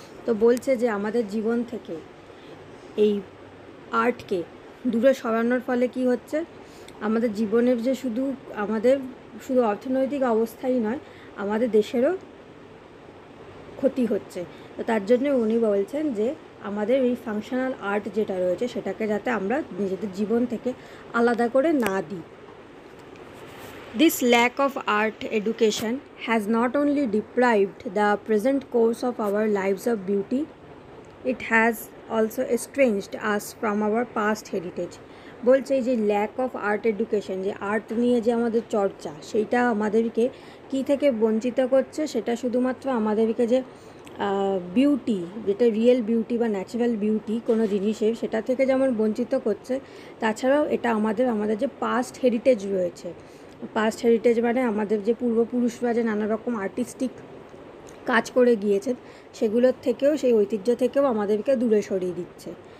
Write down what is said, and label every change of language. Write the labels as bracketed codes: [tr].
[bn] তো বলছে যে আমাদের জীবন থেকে এই আর্টকে দূরে সরানোর ফলে কী হচ্ছে, আমাদের জীবনের যে শুধু আমাদের শুধু অর্থনৈতিক অবস্থাই নয়, আমাদের দেশেরও ক্ষতি হচ্ছে। তো তার জন্যে উনি বলছেন যে আমাদের এই ফাংশনাল আর্ট যেটা রয়েছে সেটাকে যাতে আমরা নিজেদের জীবন থেকে আলাদা করে না দিই। [en] This lack of art education has not only deprived the present course of our lives of beauty, it has also estranged us from our past heritage. [bn] বলছে যে [en] lack of art education, [bn] যে আর্ট নিয়ে যে আমাদের চর্চা সেইটা আমাদেরকে কী থেকে বঞ্চিত করছে, সেটা শুধুমাত্র আমাদেরকে যে বিউটি, যেটা রিয়েল বিউটি বা ন্যাচারাল বিউটি কোনো জিনিসের, সেটা থেকে যেমন বঞ্চিত করছে, তাছাড়াও এটা আমাদের আমাদের যে পাস্ট হেরিটেজ রয়েছে, পাস্ট হেরিটেজ মানে আমাদের যে পূর্বপুরুষরা যে নানা রকম আর্টিস্টিক কাজ করে গিয়েছেন সেগুলোর থেকেও, সেই ঐতিহ্য থেকেও আমাদেরকে দূরে সরিয়ে দিচ্ছে।